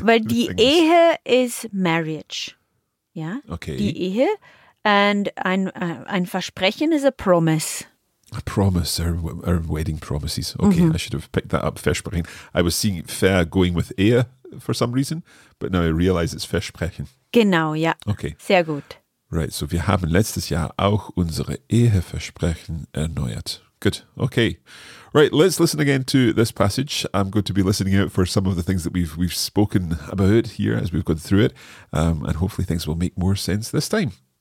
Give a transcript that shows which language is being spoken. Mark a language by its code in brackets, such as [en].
[en] Well, die Ehe is marriage, ja? Okay. Die Ehe. And ein Versprechen is a promise. A promise, or wedding promises. Okay, mm-hmm. I should have picked that up, Versprechen. I was seeing Ver going with Ehe for some reason, but now I realize it's Versprechen. [de] Genau, ja. [en] Okay. [de] Sehr gut. [en] Right, so [de] wir haben letztes Jahr auch unsere Eheversprechen erneuert. [en] Good, okay. Right, let's listen again to this passage. I'm going to be listening out for some of the things that we've spoken about here as we've gone through it, and hopefully things will make more sense this time.